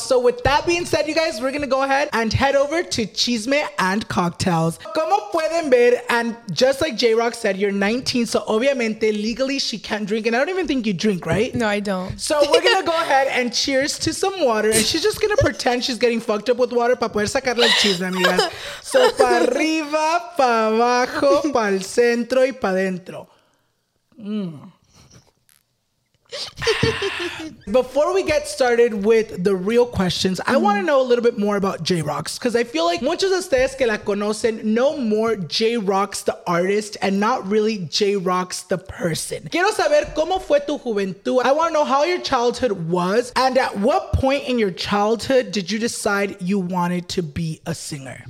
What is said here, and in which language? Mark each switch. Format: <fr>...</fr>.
<en>So with that being said, you guys, we're going to go ahead and head over to Chisme and Cocktails.</en> <es>Como pueden ver,</es> <en>and just like JayRoxxx said, you're 19, so obviamente, legally, she can't drink. And I don't even think you drink, right? No, I don't. So we're going to go ahead and cheers to some water. And she's just going to pretend she's getting fucked up with water</en> <es>para poder sacarle el chisme, amigas. So pa' arriba, pa' abajo, pa' el centro y pa' dentro.</es> <en>Before we get started with the real questions, I want to know a little bit more about JayRoxxx, because I feel like</en> <es>muchos de ustedes que la conocen</es> <en>know more JayRoxxx the artist and not really JayRoxxx the person.</en> <es>Quiero saber cómo fue tu juventud.</es> <en>I want to know how your childhood was, and at what point in your childhood did you decide you wanted to be a singer?</en>